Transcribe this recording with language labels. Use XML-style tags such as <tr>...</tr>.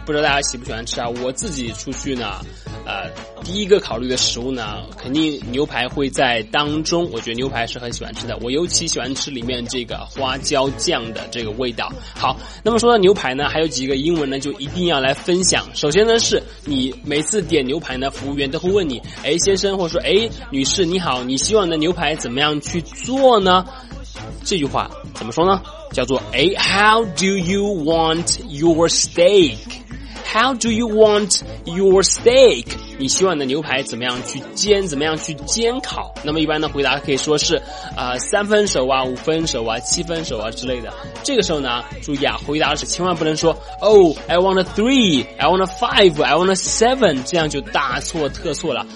<zh>不知道大家喜不喜欢吃啊，我自己出去呢第一个考虑的食物呢肯定牛排会在当中，我觉得牛排是很喜欢吃的，我尤其喜欢吃里面这个花椒酱的这个味道。好，那么说到牛排呢，还有几个英文呢就一定要来分享。首先呢是你每次点牛排呢，服务员都会问你，诶，先生，或者说诶，女士你好，你希望的牛排怎么样去做呢？这句话怎么说呢？</zh> <en>叫做 How do you want your steak? How do you want your steak?</en> <zh>你希望的牛排怎么样去煎，怎么样去煎烤？那么一般的回答可以说是三分熟啊，五分熟啊，七分熟啊之类的。这个时候呢注意啊，回答是千万不能说</zh> <en>I want a three, I want a five, I want a seven,</en> <zh>这样就大错特错了。</zh>